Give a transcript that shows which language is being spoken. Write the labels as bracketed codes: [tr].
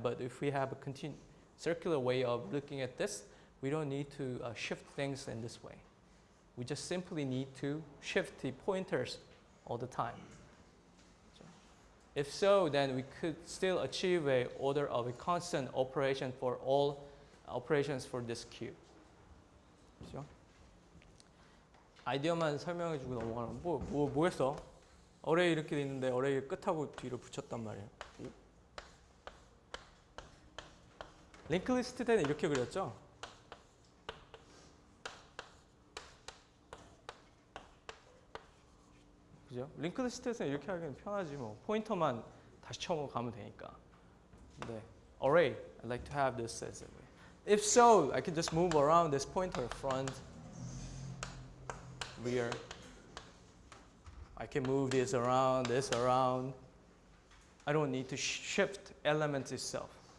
[en] But if we have a circular way of looking at this, we don't need to shift things in this way. We just simply need to shift the pointers all the time. So if so, then we could still achieve a order of a constant operation for all operations for this queue. [ko] 그죠? 아이디어만 설명해 주고 넘어가면 뭐 했어? 어레이 이렇게 있는데 어레이 끝하고 뒤로 붙였단 말이야. 링크 리스트 때는 이렇게 그렸죠? 그죠? 링크 리스트에서 이렇게 하기는 편하지 뭐. 포인터만 다시 처음으로 가면 되니까. 근데 어레이 [en] I'd like to have this as a If so, I can just move around this pointer, front, rear. I can move this around. I don't need to shift elements itself.